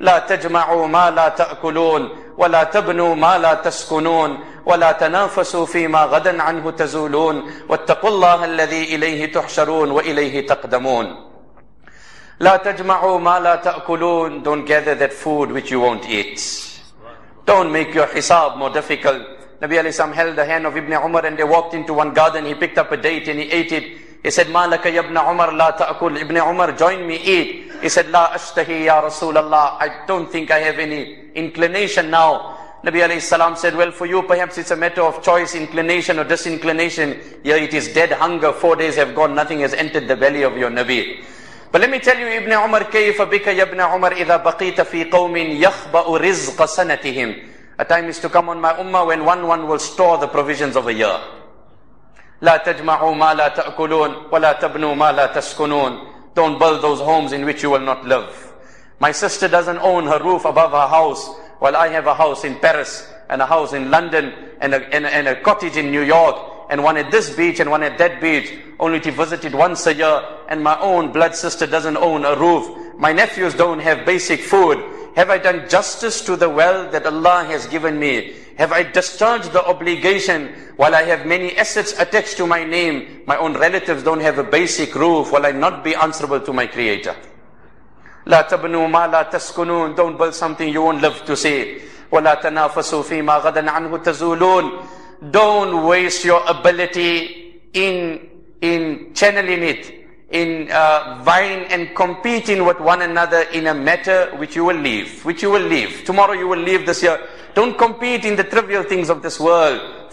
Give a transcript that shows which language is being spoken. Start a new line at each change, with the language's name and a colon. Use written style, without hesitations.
Arabic: لَا تَجْمَعُوا مَا لَا تَأْكُلُونَ وَلَا تَبْنُوا مَا لَا تَسْكُنُونَ وَلَا تَنَافَسُوا فِي مَا غَدًا عَنْهُ تَزُولُونَ وَاتَّقُوا اللَّهَ الَّذِي إِلَيْهِ تُحْشَرُونَ وَإِلَيْهِ تَقْدَمُونَ. لَا تَجْمَعُوا مَا لَا تَأْكُلُونَ.
English: Don't gather that food which you won't eat. Don't make your hisab more difficult. Nabi alayhi salam held the hand of Ibn Umar and they walked into one garden. He picked up a date and he ate it. He said,
Arabic: مَا لَكَ يَبْنَ عُمَرْ لَا تَأْكُلْ.
English: Ibn Umar, join me, eat. He said,
Arabic: لَا أَشْتَهِي يَا رَسُولَ اللَّهِ.
English: I don't think I have any inclination now. Nabi alayhi salam said, well, for you perhaps it's a matter of choice, inclination or disinclination. Here it is dead hunger. 4 days have gone, nothing has entered the belly of your Nabi. But let me tell you, Ibn Umar,
Arabic: كيف بك يا ابن عمر إذا بقيت في قوم يخبأ رزق سنتهم.
English: A time is to come on my ummah when one will store the provisions of a year.
Arabic: لا تجمعوا ما لا تأكلون ولا تبنوا ما لا تسكنون.
English: Don't build those homes in which you will not live. My sister doesn't own her roof above her house, while I have a house in Paris and a house in London and a cottage in New York. And one at this beach and one at that beach, only to visit it once a year. And my own blood sister doesn't own a roof. My nephews don't have basic food. Have I done justice to the wealth that Allah has given me? Have I discharged the obligation while I have many assets attached to my name? My own relatives don't have a basic roof. Will I not be answerable to my Creator?
Arabic: لا تبنوا ما لا تسكنون.
English: Don't build something you won't live to see.
Arabic: ولا تنافسوا فيما غدا عنه تزولون.
English: Don't waste your ability in channeling it, in vying and competing with one another in a matter which you will leave. Tomorrow you will leave this year. Don't compete in the trivial things of this world.